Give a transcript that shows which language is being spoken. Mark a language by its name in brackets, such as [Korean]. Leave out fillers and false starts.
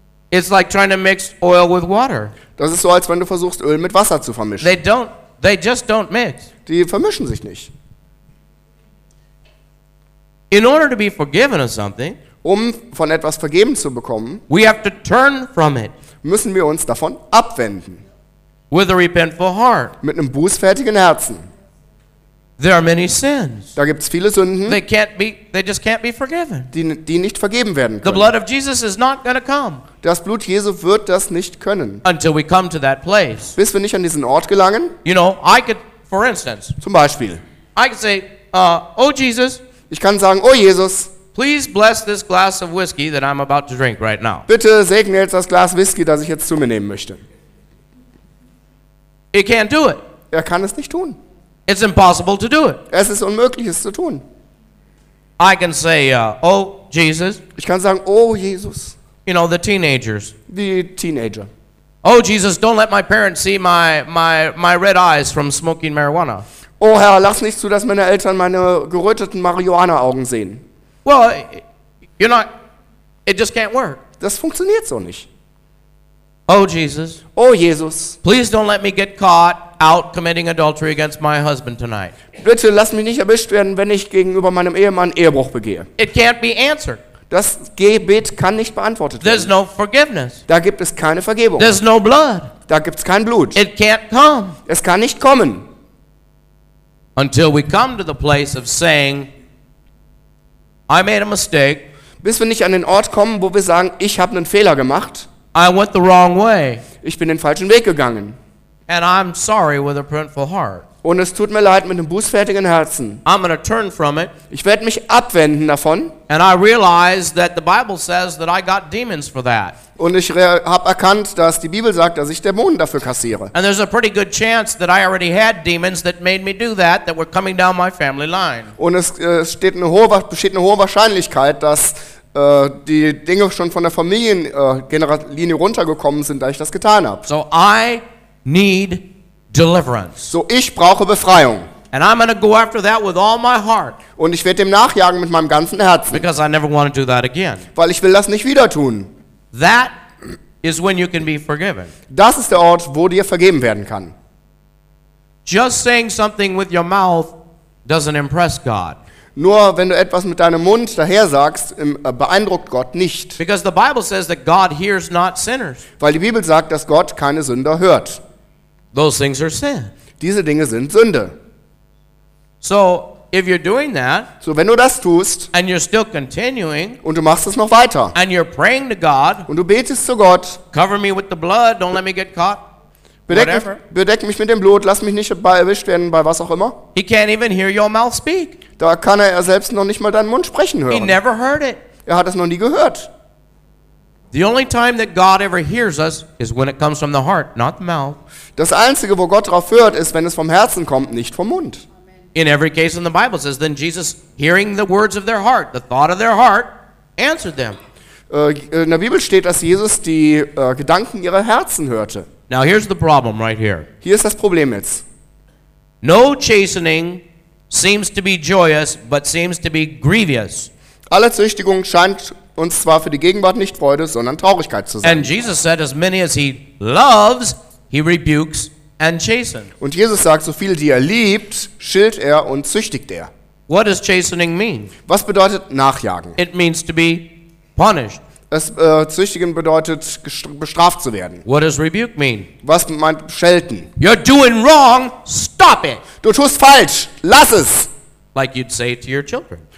[English] It's like trying to mix oil with water. [German] Das ist so, als wenn du versuchst, Öl mit Wasser zu vermischen. [English] They just don't mix. [German] Die vermischen sich nicht. [English] In order to be forgiven of something, [German] um von etwas vergeben zu bekommen, [English] we have to turn from it. [German] Müssen wir uns davon abwenden. [English] With a repentful heart. [German] Mit einem bußfertigen Herzen. [English] There are many sins. [German] Da gibt's viele Sünden. [English] They just can't be forgiven. [German] Die nicht vergeben werden können. [English] The blood of Jesus is not going to come. [German] Das Blut Jesu wird das nicht können. [English] Until we come to that place. [German] Bis wir nicht an diesen Ort gelangen. [English] You know, I could, for instance. [German] Zum Beispiel. [English] I could say, oh Jesus. [German] Ich kann sagen, oh Jesus. [English] Please bless this glass of whiskey that I'm about to drink right now. [German] Bitte segne jetzt das Glas Whisky, das ich jetzt zu mir nehmen möchte. [English] He can't do it. [German] Er kann es nicht tun. [English] It's impossible to do it. [German] Es ist unmöglich, es zu tun. [English] I can say, oh Jesus. [German] Ich kann sagen, oh Jesus. [English] You know, the teenagers. [German] Die Teenager. [English] Oh Jesus, don't let my parents see my red eyes from smoking marijuana. [German] Oh Herr, lass nicht zu, dass meine Eltern meine geröteten Marihuana-Augen sehen. [English] Well, you're not. It just can't work. [German] Das funktioniert so nicht. [English] Oh Jesus. [German] Oh Jesus. [English] Please don't let me get caught out committing adultery against my husband tonight. [German] Bitte lass mich nicht erwischt werden, wenn ich gegenüber meinem Ehemann Ehebruch begehe. [English] It can't be answered. [German] Das Gebet kann nicht beantwortet [English] There's [German] werden. [English] There's no forgiveness. [German] Da gibt es keine Vergebung. [English] There's no blood. [German] Da gibt es kein Blut. [English] It can't come. [German] Es kann nicht kommen. [English] Until we come to the place of saying, I made a mistake. [German] Bis wir nicht an den Ort kommen, wo wir sagen, ich habe einen Fehler gemacht. [English] I went the wrong way. [German] Ich bin den falschen Weg gegangen. [English] And I'm sorry with a repentful heart. [German] Und es tut mir leid mit einem bußfertigen Herzen. [English] I'm gonna turn from it. [German] Ich werde mich abwenden davon. [English] And I realize that the Bible says that I got demons for that. [German] Und ich habe erkannt, dass die Bibel sagt, dass ich Dämonen dafür kassiere. [English] And there's a pretty good chance that I already had demons that made me do that, that were coming down my family line. [German] Und es besteht eine hohe Wahrscheinlichkeit, dass die Dinge schon von der Familienlinie runtergekommen sind, da ich das getan habe. [English] So I need deliverance. [German] So ich brauche Befreiung. [English] And I'm going to go after that with all my heart. [German] Und ich werde dem nachjagen mit meinem ganzen Herzen. [English] Because I never want to do that again. [German] Weil ich will das nicht wieder tun. [English] That is when you can be forgiven. [German] Das ist der Ort, wo dir vergeben werden kann. [English] Just saying something with your mouth doesn't impress God. [German] Nur wenn du etwas mit deinem Mund daher sagst, beeindruckt Gott nicht. [English] Because the Bible says that God hears not sinners. [German] Weil die Bibel sagt, dass Gott keine Sünder hört. [English] Those things are sin. [German] Diese Dinge sind Sünde. [English] So, if you're doing that, [German] so wenn du das tust, [English] and you're still continuing, [German] und du machst es noch weiter, [English] and you're praying to God, [German] und du betest zu Gott, [English] cover me with the blood, don't let me get caught, [German] bedeck mich mit dem Blut, lass mich nicht bei erwischt werden, bei was auch immer. [English] He can't even hear your mouth speak. [German] Da kann er selbst noch nicht mal deinen Mund sprechen hören. [English] He never heard it. [German] Er hat es noch nie gehört. [English] The only time that God ever hears us is when it comes from the heart, not the mouth. [German] Das einzige, wo Gott drauf hört, ist, wenn es vom Herzen kommt, nicht vom Mund. [English] In every case in the Bible says, then Jesus, hearing the words of their heart, the thought of their heart, answered them. [German] In der Bibel steht, dass Jesus die Gedanken ihrer Herzen hörte. [English] Now here's the problem right here. [German] Hier ist das Problem jetzt. [English] No chastening seems to be joyous, but seems to be grievous. [German] Alle Züchtigung scheint uns zwar für die Gegenwart nicht Freude, sondern Traurigkeit zu sein. [English] And Jesus said, as many as he loves, he rebukes and chastens. [German] Und Jesus sagt, so viele, die er liebt, schilt er und züchtigt er. [English] What does chastening mean? [German] Was bedeutet nachjagen? [English] It means to be punished. [German] Es züchtigen bedeutet bestraft zu werden. [English] What does rebuke mean? [German] Was meint schelten? [English] You're doing wrong, stop it. [German] Du tust falsch, lass es. [English] Like you'd say to your children.